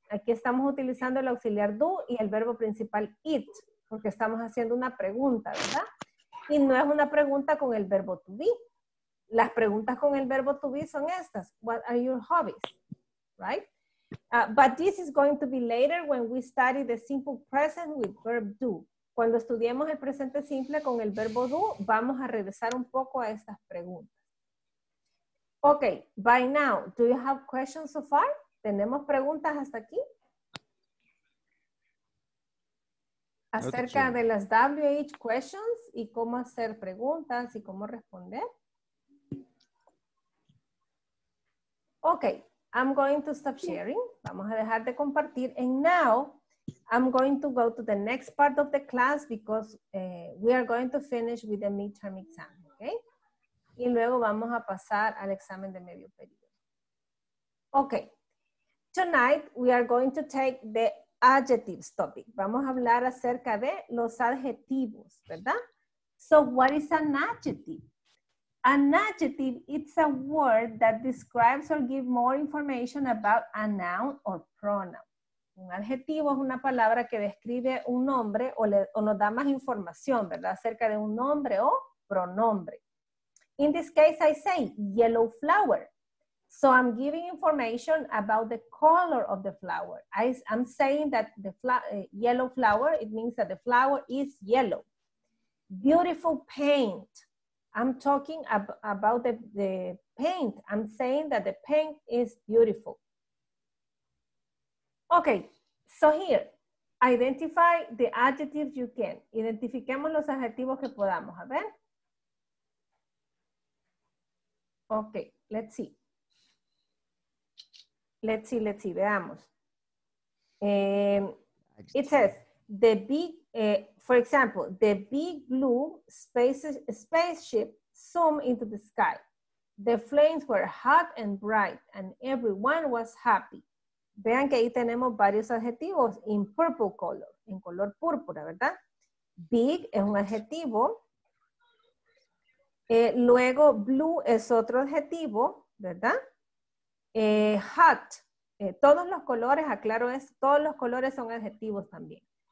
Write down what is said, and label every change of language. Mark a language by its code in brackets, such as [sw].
[es] Aquí estamos utilizando el auxiliar do y el verbo principal eat, porque estamos haciendo una pregunta, ¿verdad? Y no es una pregunta con el verbo to be. Las preguntas con el verbo to be son estas. [en] What are your hobbies? Right? But this is going to be later when we study the simple present with verb do. [es] Cuando estudiemos el presente simple con el verbo do, vamos a regresar un poco a estas preguntas. [en] Okay, by now, do you have questions so far? [es] ¿Tenemos preguntas hasta aquí? Acerca de las WH questions y cómo hacer preguntas y cómo responder. [en] Ok, I'm going to stop sharing. [es] Vamos a dejar de compartir. [en] And now, I'm going to go to the next part of the class because we are going to finish with the midterm exam. Okay? [es] Y luego vamos a pasar al examen de medio periodo. [en] Ok. Tonight, we are going to take the adjectives topic. [es] Vamos a hablar acerca de los adjetivos, ¿verdad? [en] So, what is an adjective? An adjective, it's a word that describes or gives more information about a noun or pronoun. [es] Un adjetivo es una palabra que describe un nombre o nos da más información, ¿verdad? Acerca de un nombre o pronombre. [en] In this case, I say yellow flower. So I'm giving information about the color of the flower. I'm saying that the yellow flower, it means that the flower is yellow. Beautiful paint. I'm talking about the paint. I'm saying that the paint is beautiful. Okay, so here, identify the adjectives you can. [es] Identifiquemos los adjetivos que podamos, a ver. [en] Okay, let's see. Let's see, let's see, [es] veamos. [en] It says, the big, for example, the big blue spaceship zoomed into the sky. The flames were hot and bright and everyone was happy. [es] Vean que ahí tenemos varios adjetivos [en] in purple color, [es] en color púrpura, ¿verdad? Big es un adjetivo. Luego, blue es otro adjetivo, ¿verdad? Hot. Todos los colores, aclaro esto, todos los colores son adjetivos también.